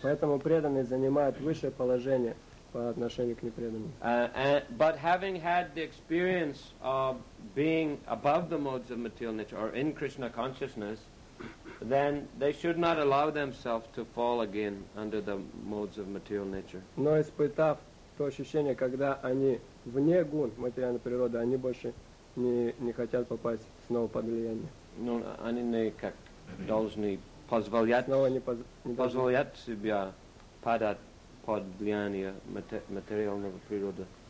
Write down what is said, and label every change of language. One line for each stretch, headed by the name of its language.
Russian: Поэтому преданные занимают высшее положение по отношению к непреданным.
English: But having had the experience of being above the modes of material nature or in Krishna consciousness, then they should not allow themselves to fall again under the modes of material nature.
Russian: Но испытав то ощущение, когда они вне гун материальной природы, они больше не хотят попасть снова под влияние. Но они не как должны позволять себя падать под влияние материального природы.